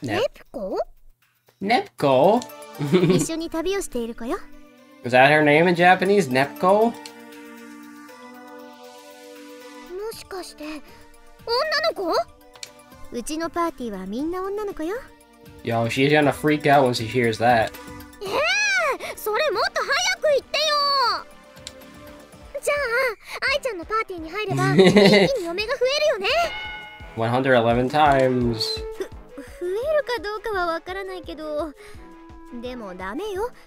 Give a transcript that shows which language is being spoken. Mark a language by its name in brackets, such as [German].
[Japanese] ネプコ？ネプコ？一緒に旅をしている子よ。 [English] Is that her name in Japanese? ネプコ？ [Japanese] もしかして。女の子？うちのパーティーはみんな女の子よ。 [English] Yo, she's gonna freak out when she hears that. [Japanese] それもっと早く言ってよ。じゃあ、アイちゃんのパーティーに入れば一気に嫁が増えるよね。 [English] 111 times. [Japanese] 増えるかどうかはわからないけど、でもダメよ。